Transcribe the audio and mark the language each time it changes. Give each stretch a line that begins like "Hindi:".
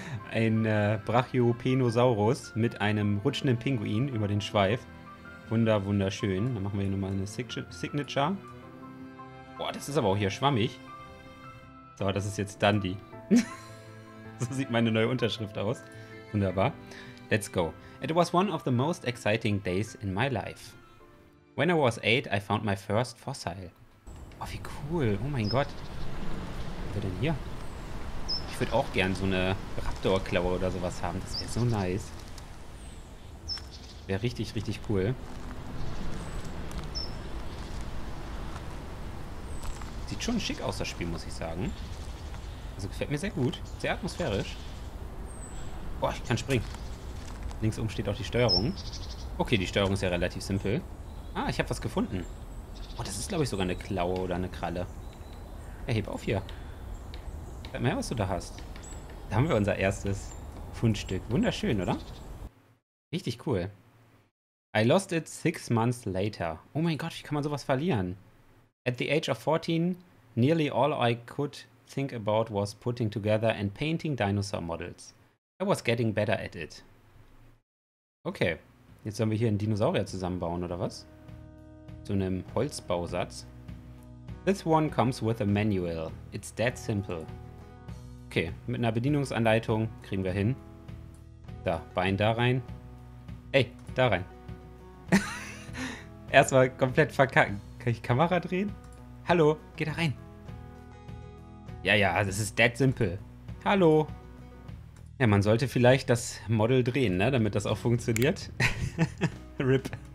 German: Ein Brachiopenosaurus mit einem rutschenden Pinguin über den Schweif. Wunderschön. Dann machen wir hier nochmal eine Signature. Boah, das ist aber auch hier schwammig. So, das ist jetzt Dundee. So sieht meine neue Unterschrift aus. Wunderbar.
English: Let's go. It was one of the most exciting days in my life. When I was 8, I found my first fossil.
German: Oh, wie cool. Oh mein Gott. Was haben wir denn hier? Ich würde auch gern so eine Raptorklaue oder sowas haben. Das wäre so nice. Wäre richtig, richtig cool. Sieht schon schick aus, das Spiel, muss ich sagen. Also gefällt mir sehr gut. Sehr atmosphärisch. Boah, ich kann springen. Links oben steht auch die Steuerung. Okay, die Steuerung ist ja relativ simpel. Ah, ich habe was gefunden. Oh, das ist, glaube ich, sogar eine Klaue oder eine Kralle. Ja, heb auf hier. Sag mal her, was du da hast. Da haben wir unser erstes Fundstück. Wunderschön, oder? Richtig cool.
English: I lost it 6 months later.
German: Oh mein Gott, wie kann man sowas verlieren?
English: At the age of 14, nearly all I could think about was putting together and painting dinosaur models. I was getting better at it.
German: Okay, jetzt sollen wir hier einen Dinosaurier zusammenbauen, oder was? So einem Holzbausatz.
English: This one comes with a manual. It's that simple.
German: Okay, mit einer Bedienungsanleitung kriegen wir hin. Da, Bein da rein. Ey, da rein. Erstmal komplett verkacken. Kann ich Kamera drehen? Hallo, geh da rein. Ja, ja, das ist dead simple. Hallo. Ja, man sollte vielleicht das Model drehen, ne, damit das auch funktioniert. RIP.